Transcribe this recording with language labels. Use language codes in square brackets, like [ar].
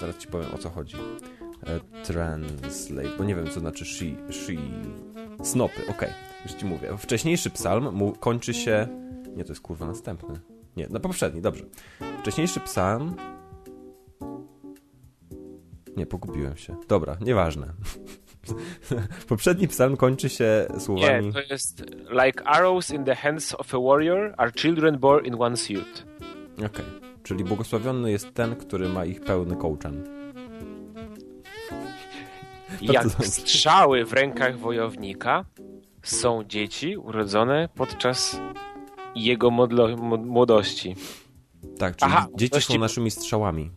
[pl] Zaraz ci powiem, o co chodzi. Translate, bo nie wiem, co znaczy sheave. Snopy, okej. Okay. Już ci mówię. Wcześniejszy psalm kończy się... Nie, to jest kurwa następny. Nie, no poprzedni, dobrze. Wcześniejszy psalm... Nie, pogubiłem się. Dobra, nieważne. Poprzedni psalm kończy się słowami... Nie, to jest [en] like arrows in the hands of a warrior are children born in one's youth. [pl] Okej, okay. Czyli błogosławiony jest ten, który ma ich pełny kołczan. jak strzały w rękach wojownika są dzieci urodzone podczas jego młodości. Tak, czyli dzieci są naszymi strzałami.